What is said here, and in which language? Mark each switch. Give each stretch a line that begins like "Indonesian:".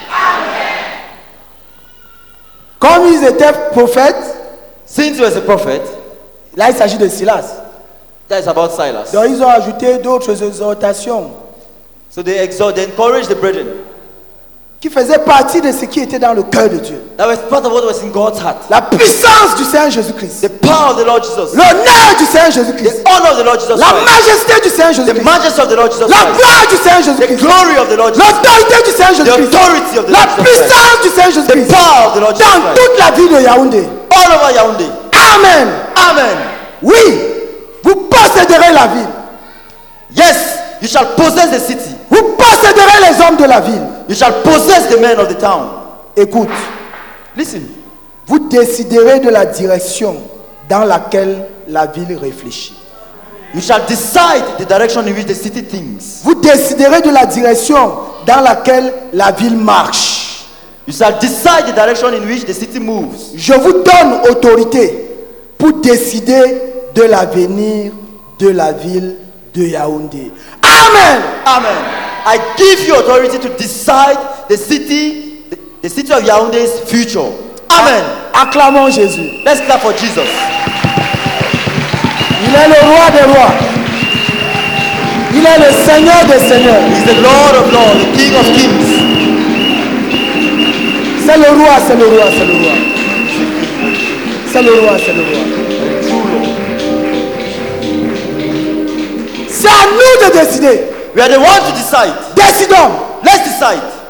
French: Amen. Comme ils étaient prophètes,
English: since he was a prophet,
French: là il s'agit de Silas.
English: That is about Silas.
French: Donc ils ont ajouté d'autres exhortations.
English: So they exhort, they encourage the brethren.
French: Qui faisait partie de ce qui était dans le cœur de Dieu.
English: That was part of what was in God's heart.
French: La puissance du Saint Jésus-Christ.
English: The power of the Lord Jesus.
French: L'honneur du Saint Jésus-Christ.
English: The honor of the Lord Jesus.
French: La majesté du Saint Jésus-Christ.
English: The majesty of the Lord Jesus.
French: La gloire du Saint Jésus-Christ.
English: The glory of the Lord Jesus.
French: L'autorité du Saint Jésus-Christ.
English: The authority of the Lord Jesus.
French: La puissance du Saint Jésus-Christ.
English: The power of the Lord Jesus.
French: Dans toute la ville de Yaoundé.
English: All over Yaoundé. Amen. Amen.
French: Oui, vous posséderez la ville.
English: Yes, you shall possess the city.
French: Vous posséderez les hommes de la ville.
English: You shall possess the men of the town.
French: Écoute.
English: Listen.
French: Vous déciderez de la direction dans laquelle la ville réfléchit.
English: You shall decide the direction in which the city thinks.
French: Vous déciderez de la direction dans laquelle la ville marche.
English: You shall decide the direction in which the city moves.
French: Je vous donne autorité pour décider de l'avenir de la ville de Yaoundé. Amen. Amen.
English: I give you authority to decide the city of Yaoundé's future. Amen.
French: Acclamons Jésus.
English: Let's clap for Jesus.
French: Il est le roi des rois. Il est le Seigneur des seigneurs.
English: He's the Lord of lords, the King of kings.
French: C'est le roi, c'est le roi, c'est le roi. C'est le roi, c'est le roi. C'est à nous de décider.
English: We are the ones to decide.
French: Décidons.
English: Let's decide.